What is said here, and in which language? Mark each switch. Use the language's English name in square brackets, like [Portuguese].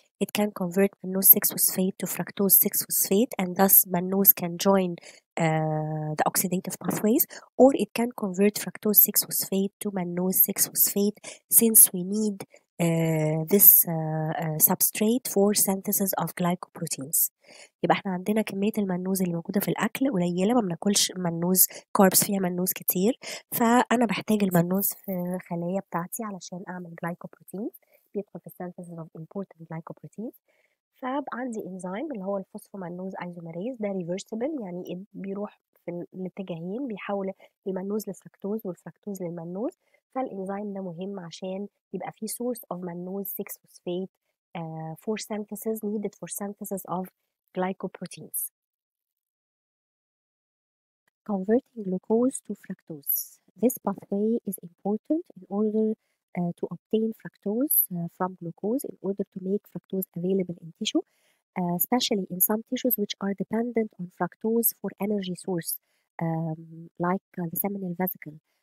[English] It can convert mannose 6-phosphate to fructose 6-phosphate and thus mannose can join the oxidative pathways or it can convert fructose 6-phosphate to mannose 6-phosphate since we need this substrate for synthesis of glycoproteins. [Arabic] يبقى احنا عندنا كمية المنوز اللي موجودة في الأكل قليلة، ما بناكلش منوز كاربس فيها منوز كتير، فأنا بحتاج المنوز في الخلايا بتاعتي علشان أعمل glycoprotein، بيدخل في [English] synthesis of important glycoproteins. [Arabic] فعندي انزيم اللي هو الفوسفومانوز ايزوميريز، ده ريفرسيبل يعني بيروح في الاتجاهين، بيحول المانوز لفركتوز والفركتوز للمانوز. فالانزيم ده مهم عشان يبقى فيه [English] Source of mannose 6 phosphate for synthesis needed for synthesis of glycoproteins. Converting glucose to fructose. This pathway is important in order to obtain fructose from glucose in order to make fructose available in tissue, especially in some tissues which are dependent on fructose for energy source, like the seminal vesicle.